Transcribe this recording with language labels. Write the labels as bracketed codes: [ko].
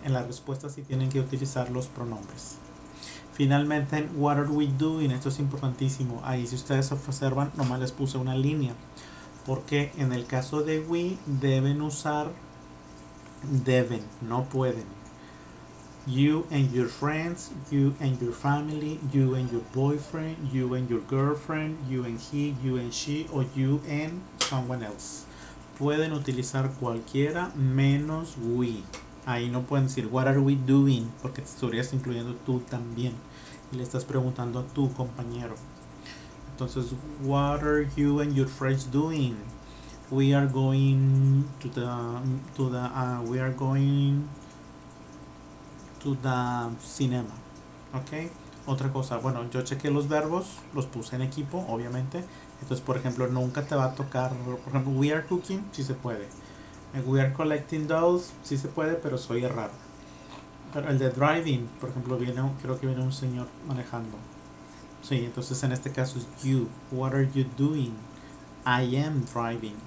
[es] En la respuesta sí tienen que utilizar los pronombres. Finalmente, [en] what are we doing? [es] Esto es importantísimo. Ahí, si ustedes observan, nomás les puse una línea. Porque en el caso de we, deben usar, deben, no pueden. [en] You and your friends, you and your family, you and your boyfriend, you and your girlfriend, you and he, you and she, o you and someone else. [es] Pueden utilizar cualquiera menos we. Ahí no pueden decir, [en] what are we doing? [es] Porque te estarías incluyendo tú también. Y le estás preguntando a tu compañero. [en] Entonces, what are you and your friends doing? We are going we are going to the cinema. [es] ¿Ok? Otra cosa. Bueno, yo chequeé los verbos. Los puse en equipo, obviamente. Entonces, por ejemplo, nunca te va a tocar. Por ejemplo, [en] we are cooking. [es] Sí se puede. [en] We are collecting dolls. [es] Sí se puede, pero soy errado. Pero el de driving, por ejemplo, creo que viene un señor manejando. Sí, entonces en este caso es [en] you. What are you doing? I am driving.